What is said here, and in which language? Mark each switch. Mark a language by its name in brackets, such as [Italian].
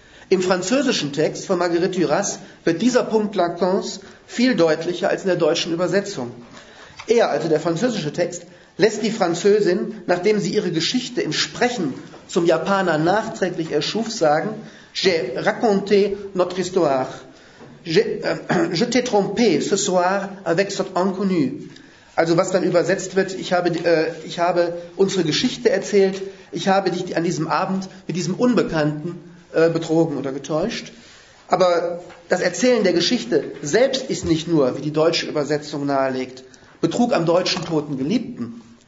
[German] Im französischen Text von Marguerite Duras wird dieser Punkt Lacans viel deutlicher als in der deutschen Übersetzung. Er, also der französische Text, lässt die Französin, nachdem sie ihre Geschichte im Sprechen zum Japaner nachträglich erschuf, sagen: [French] J'ai raconté notre histoire. Je t'ai trompé ce soir avec cet inconnu. [German] Also was dann übersetzt wird, ich habe unsere Geschichte erzählt, ich habe dich an diesem Abend mit diesem Unbekannten betrogen oder getäuscht. Aber das Erzählen der Geschichte selbst ist nicht nur, wie die deutsche Übersetzung nahelegt, Betrug am deutschen toten Geliebten.